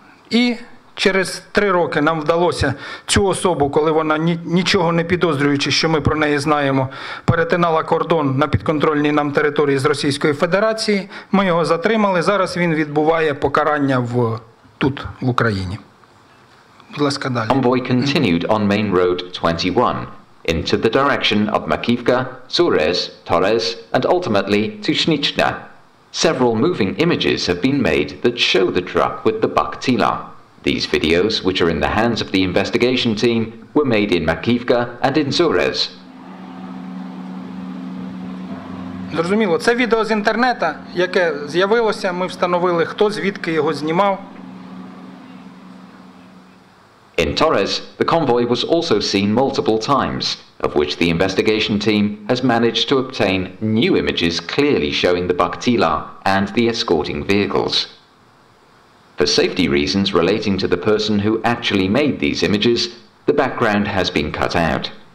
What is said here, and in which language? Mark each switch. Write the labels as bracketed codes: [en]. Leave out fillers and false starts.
[uk] І через три роки нам вдалося цю особу, коли вона, нічого не підозрюючи, що ми про неї знаємо, перетинала кордон на підконтрольній нам території з Російської Федерації, ми його затримали, зараз він відбуває покарання тут, в Україні. Будь ласка, далі. [en] Convoy continued on main road 21. into the direction of Makivka, Suresh, Torres, and ultimately to Shnichna. Several moving images have been made that show the truck with the Bakhtila. These videos, which are in the hands of the investigation team, were made in Makivka and in Suresh. [uk] Зрозуміло, це відео з інтернету, яке з'явилося, ми встановили, хто звідки його знімав. [en] In Torres, the convoy was also seen multiple times, of which the investigation team has managed to obtain new images clearly showing the Bakhtila and the escorting vehicles. For safety reasons relating to the person who actually made these images, the background has been cut out.